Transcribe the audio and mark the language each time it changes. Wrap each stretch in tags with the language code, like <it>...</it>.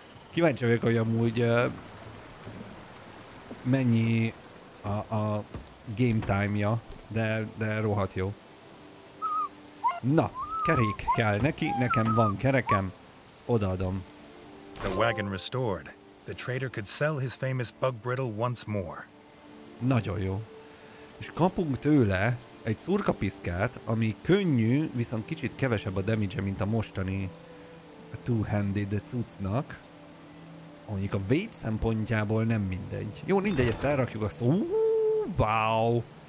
<hu>Kíváncsi vagyok, hogy amúgy mennyi a game time-ja, de rohadt jó. Na, kerék kell neki, nekem van kerekem, odaadom.</hu> <en>The wagon restored. The trader could sell his famous bug brittle once more.</en> <hu>Nagyon jó. És kapunk tőle egy szurkapiszkát, ami könnyű, viszont kicsit kevesebb a damage-e, mint a mostani two-handed cuccnak. Mondjuk a véd szempontjából nem mindegy. Jó, mindegy, ezt elrakjuk azt. Wow!</hu>